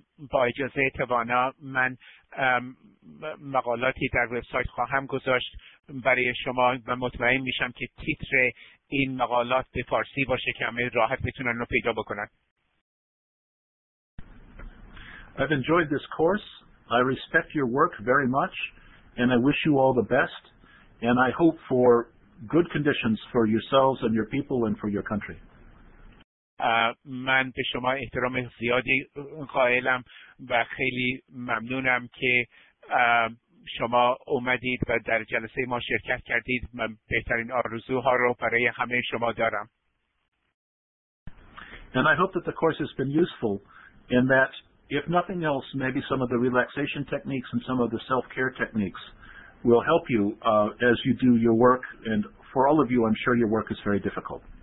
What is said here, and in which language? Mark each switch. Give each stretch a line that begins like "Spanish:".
Persian: با اجازه توانا من مقالاتی در وبسایت خواهم گذاشت برای شما و مطمئن میشم که تیتر این مقالات به فارسی باشه که همه راحت بتونن رو پیدا بکنن.
English: I've enjoyed this course. I respect your work very much, and I wish you all the best, and I hope for good conditions for yourselves and your people and for your country.
Persian: من به شما احترام زیادی قائلم و خیلی ممنونم که شما اومدید و در جلسه ما شرکت کردید. من بهترین آرزوها رو برای همه شما دارم.
English: And I hope that the course has been useful in that if nothing else, maybe some of the relaxation techniques and some of the self-care techniques will help you as you do your work. And for all of you, I'm sure your work is very difficult.